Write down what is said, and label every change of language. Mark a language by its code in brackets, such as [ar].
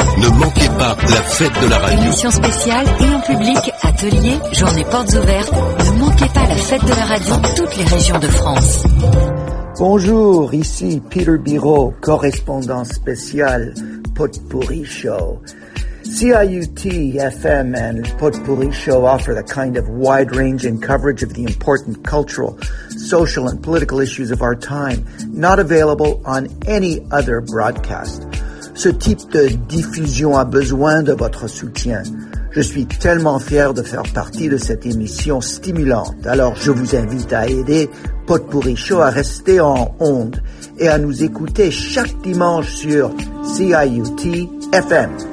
[fr] Ne manquez pas la fête de la radio. Émissions spéciales et en public, ateliers, journées portes ouvertes. Ne manquez pas la fête de la radio dans toutes les régions de France. Bonjour, ici Peter Biraud, correspondant spécial Potpourri Show. [en] CIUT FM and Potpourri Show offer the kind of wide-ranging coverage of the important cultural, social, and political issues of our time, not available on any other broadcast. [fr] Ce type de diffusion a besoin de votre soutien. Je suis tellement fier de faire partie de cette émission stimulante. Alors, je vous invite à aider Potpourri Show à rester en onde et à nous écouter chaque dimanche sur CIUT FM.